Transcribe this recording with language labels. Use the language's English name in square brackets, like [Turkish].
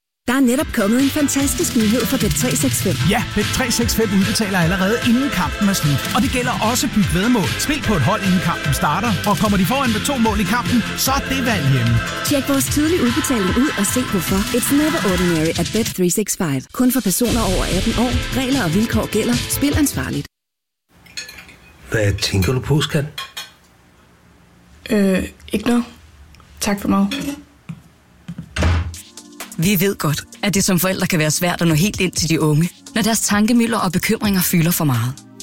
[Danish] Der er netop kommet en fantastisk nyhed for Bet365. Ja, Bet365 udbetaler allerede inden kampen er slut. Og det gælder også byg vedmål. Spil på et hold, inden kampen starter. Og kommer de foran med 2 mål i kampen, så er det valg hjemme. Tjek vores tidlige udbetaling ud og se hvorfor. [English] It's never ordinary at Bet365. [Danish] Kun for personer over 18 år. Regler og vilkår gælder. Spil ansvarligt. Hvad tænker du på, skat? Ikke noget. Tak for mig. Vi ved godt, at det som forældre kan være svært at nå helt ind til de unge, når deres tankemylder og bekymringer fylder for meget.